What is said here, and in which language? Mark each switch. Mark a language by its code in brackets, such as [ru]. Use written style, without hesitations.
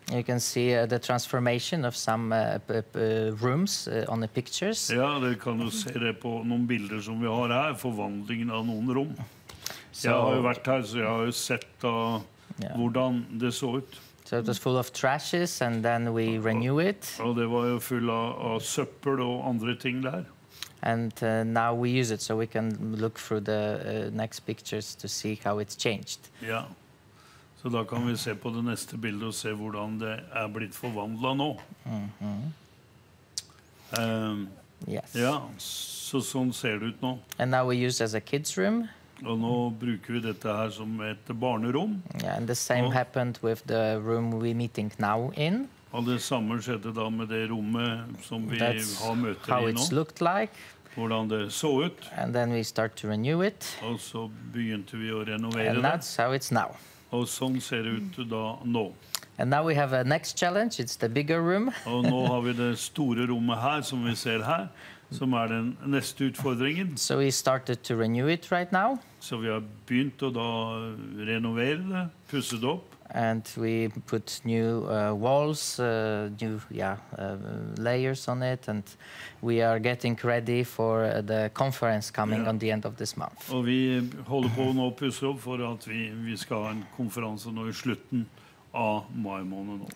[en] You can see the transformation of some rooms on the pictures. [no] Ja, det kan du se det på noen bilder som vi har her, forvandlingen av noen rom. Jeg har jo vært her, så jeg har jo sett hvordan det så ut. [en] So it was full of trashes, and then we renew it. [no] Ja, det var jo full av søppel og andre ting der. [en] And now we use it, so we can look through the next pictures to see how it's changed. [no] Ja. Så da kan vi se på det neste bildet og se hvordan det er blitt forvandlet nå. [en] Yes. [no] Ja, sånn ser det ut nå. [en] And now we use it as a kids room. [no] Og nå bruker vi dette her som et barnerom. [en] Yeah, and the same happened with the room we're meeting now in. [no] Og det samme skjedde da med det rommet som vi har møter i nå. [en] That's how it's looked like. [no] Hvordan det så ut. [en] And then we start to renew it. [no] Og så begynte vi å renovere det. [en] And that's how it's now. [no] Og sånn ser det ut da nå. [en] And now we have a next challenge, it's the bigger room. [no] Og nå har vi det store rommet her, som vi ser her, som er den neste utfordringen. [en] So we started to renew it right now. [no] Så vi har begynt å da renovere det, pusse det opp. [en] And we put new walls, new layers on it, and we are getting ready for the conference coming on the end of this month. [no] Og vi holder på nå å pusse opp for at vi skal ha en konferanse nå i slutten av mai måned nå.